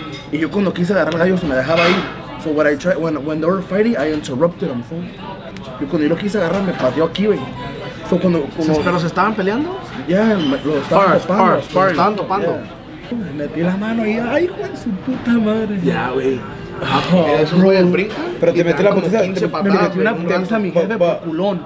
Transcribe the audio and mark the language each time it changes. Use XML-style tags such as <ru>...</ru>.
<es>Y yo cuando quise agarrar gallos se me dejaba ir.</es> <en>So what I tried, when they were fighting, I interrupted them.</en> <es>So, yo cuando yo lo quise agarrar me pateó aquí, güey. So cuando, cuando pero se estaban peleando? Yeah, lo estaban topando. Sparring. Estaban topando. Yeah. Metí la mano y ay, hijo de su puta madre. Ya, yeah, güey. Oh, es un brinca, pero te metí la puntita, te metí una puntita a mi jefe por culón.</es>